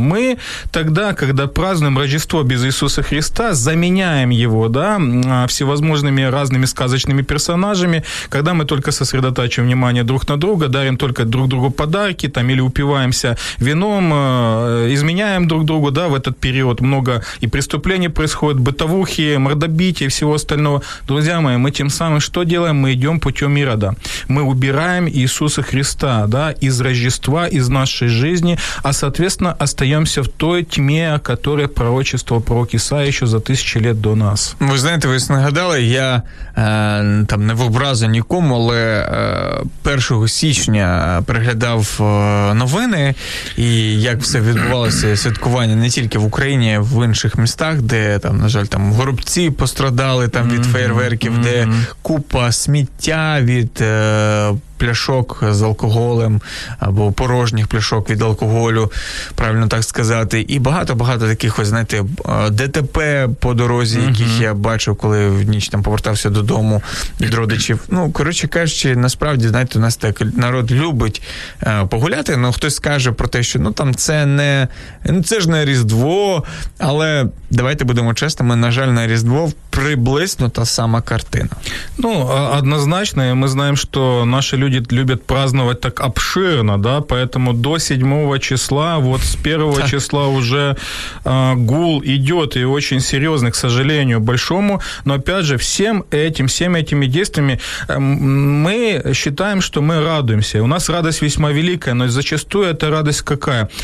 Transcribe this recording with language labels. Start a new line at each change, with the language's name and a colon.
Russian: Мы тогда, когда празднуем Рождество без Иисуса Христа, заменяем его, да, всевозможными разными сказочными персонажами, когда мы только сосредотачиваем внимание друг на друга, дарим только друг другу подарки, там, или упиваемся вином, изменяем друг другу, да, в этот период много и преступлений происходит, бытовухи, мордобития, всего остального. Друзья мои, мы тем самым что делаем? Мы идем путем Ирода. Мы убираем Иисуса Христа, да, из Рождества, из нашей жизни, а, соответственно, остаемся в той тьме, о которой пророчествовал пророк
Ukrainian: Ісаїя ще за тисячі літ до нас. Ви знаєте, ви нагадали, я там не в образу нікому, але 1 січня переглядав новини, і як все відбувалося святкування не тільки в Україні, в інших містах, де, там, на жаль, там горобці пострадали там, від фейерверків, де купа сміття від пляшок з алкоголем, або порожніх пляшок від алкоголю, правильно так сказати. І багато-багато таких, ось, знаєте, ДТП по дорозі, яких я бачив, коли в ніч там повертався додому від родичів. Ну, коротше кажучи, насправді, знаєте, у нас так народ любить погуляти, але хтось каже про те, що, ну, там, це ж не Різдво, але, давайте будемо чесними, на жаль, на Різдво приблизно та сама картина.
Russian: Ну, однозначно,
Ukrainian: ми знаємо, що наші люди
Russian: любят праздновать так обширно, да, поэтому до 7 числа, вот с 1 числа уже гул идет, и очень серьезный, к сожалению, большому, но опять же, всеми этими действиями мы считаем, что мы радуемся, у нас радость весьма великая, но зачастую эта радость какая?